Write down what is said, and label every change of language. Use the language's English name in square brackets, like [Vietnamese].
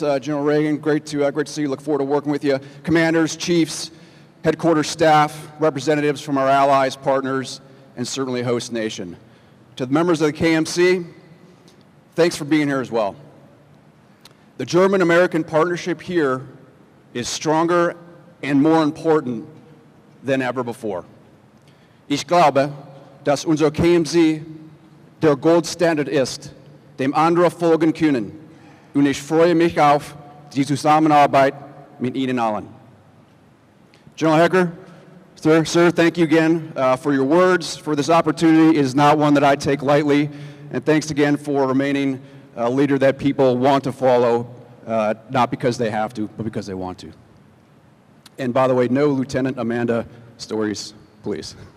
[English] General Reagan, great to see you. Look forward to working with you. Commanders, chiefs, headquarters staff, representatives from our allies, partners, and certainly host nation. To the members of the KMC, thanks for being here as well. The German-American partnership here is stronger and more important than ever before. [German] Ich glaube, dass unser KMZ der Goldstandard ist, dem andere folgen können. Und ich freue mich auf die Zusammenarbeit mit Ihnen allen. [English] General Hecker, sir, thank you again for your words, for this opportunity. It is not one that I take lightly. And thanks again for remaining a leader that people want to follow, not because they have to, but because they want to. And by the way, no Lieutenant Amanda stories, please.